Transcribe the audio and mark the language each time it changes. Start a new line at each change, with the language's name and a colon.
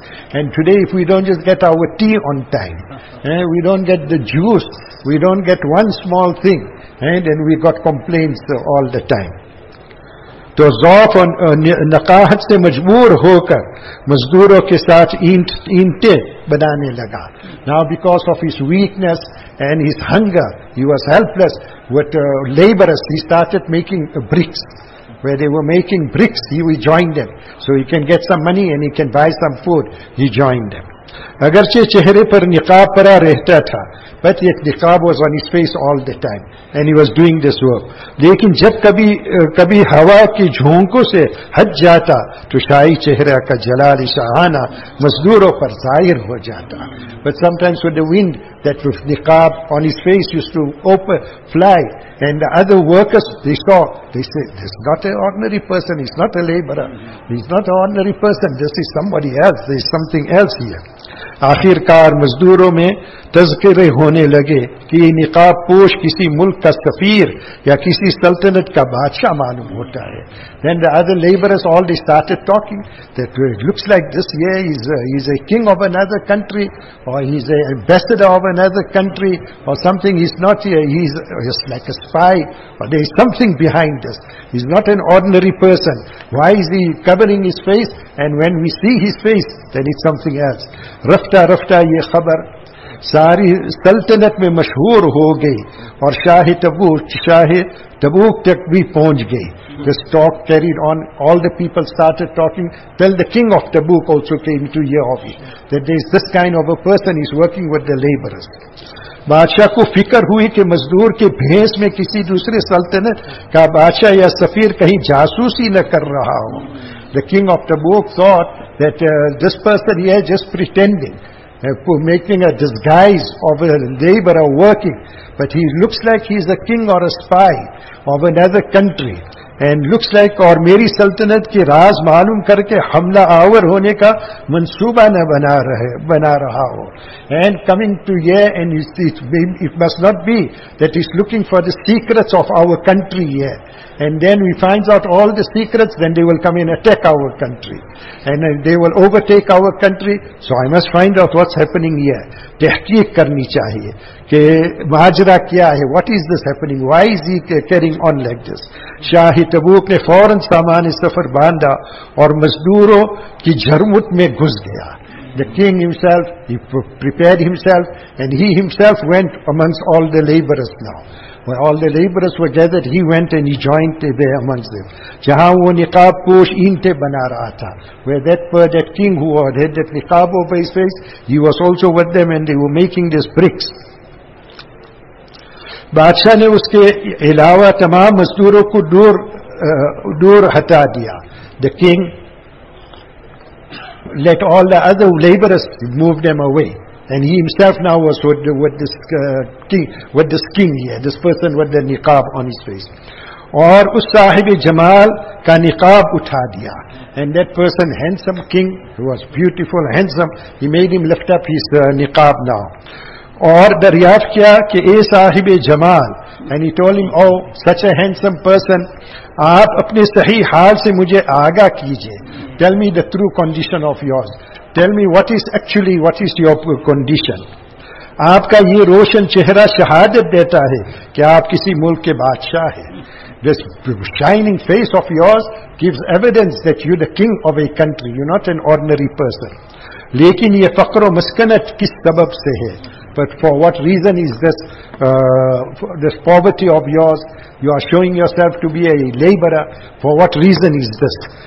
English: And today, if we don't just get our tea on time, we don't get the juice, we don't get one small thing, then we got complaints all the time.
Urdu: تو ضعف اور نقاہت سے مجبور ہو کر مزدوروں کے ساتھ اینٹیں بنانے لگا.
English: Now because of his weakness and his hunger, he was helpless with laborers. He started making bricks. Where they were making bricks, he joined them. So he can get some money and he can buy some food. He joined them.
Urdu: اگرچہ چہرے پر نقاب پڑا رہتا تھا,
English: but yet نقاب was on his face all the time and he was doing this work.
Urdu: لیکن جب کبھی ہوا کی جھونکوں سے ہٹ جاتا تو شاہی چہرہ کا جلال شاہانہ مزدوروں پر ظاہر ہو جاتا.
English: But sometimes with the wind, that with نقاب on his face used to open, fly, and the other workers, they saw, they say, this is not an ordinary person, he's not a laborer, he's not an ordinary person, this is somebody else, there is something else here.
Urdu: آخر کار مزدوروں میں تذکرے ہونے لگے کہ یہ نقاب پوش کسی ملک کا سفیر یا کسی سلطنت کا بادشاہ معلوم ہوتا ہے.
English: Then the other laborers all they started talking that it looks like this year he's a king of another country or he's an ambassador of another country or something. He's not here, he's just like a spy, or there is something behind this. He's not an ordinary person. Why is he covering his face? And when we see his face, then it's something else.
Urdu: رفتہ رفتہ یہ خبر ساری سلطنت میں مشہور ہو گئی اور شاہ تبوک تک بھی پہنچ گئی.
English: This talk carried on, all the people started talking, till the king of Tabuk also came to your office that there is this kind of a person is working with the labours.
Urdu: بادشاہ کو فکر ہوئی کہ مزدور کے بھینس میں کسی دوسرے سلطنت کا بادشاہ یا سفیر کہیں جاسوسی نہ کر رہا ہوں.
English: The king of Tabuk thought that this person here just pretending, making a disguise of a laborer working, but he looks like he is a king or a spy of another country, and looks like
Urdu: اور میری سلطنت کے راز معلوم کر کے حملہ آور ہونے کا منصوبہ نہ بنا رہا ہو.
English: And coming to here, and it must not be that he's looking for the secrets of our country here. And then he finds out all the secrets, then they will come and attack our country. And they will overtake our country. So I must find out what's happening here.
Urdu: تحقیق کرنی چاہیے کہ ماجرا کیا ہے,
English: what is this happening, why is he carrying on like this.
Urdu: شاہ تبوک نے فوراً سامان سفر باندھا اور مزدوروں کی جھرمٹ میں گھس گیا.
English: The king himself, he prepared himself, and he himself went amongst all the laborers now. When all the laborers were gathered, he went and he joined there amongst them.
Urdu: جہاں وہ نقاب پوش اینٹیں بنا رہا تھا,
English: where that king who had that نقاب over his face, he was also with them and they were making these bricks.
Urdu: بادشاہ نے اس کے علاوہ تمام مزدوروں کو دور ہٹا دیا.
English: The king let all the other laborers move them away. And he himself now was with this king here, this person with the niqab on his face.
Urdu: اور اس صاحب جمال کا نقاب اٹھا دیا.
English: And that person, handsome king, who was beautiful, handsome, he made him lift up his niqab now.
Urdu: اور دریافت کیا کہ اے صاحب جمال,
English: and he told him, oh, such a handsome person,
Urdu: آپ اپنے صحیح حال سے مجھے آگاہ کیجئے.
English: Tell me the true condition of yours. Tell me what is your condition.
Urdu: آپ کا یہ روشن چہرہ شہادت دیتا ہے کہ آپ کسی ملک کے بادشاہ ہیں.
English: This shining face of yours gives evidence that you're the king of a country. You're not an ordinary person.
Urdu: لیکن یہ فقر و مسکنت کس سبب سے ہے؟
English: But for what reason is this this poverty of yours? You are showing yourself to be a laborer. For what reason is this?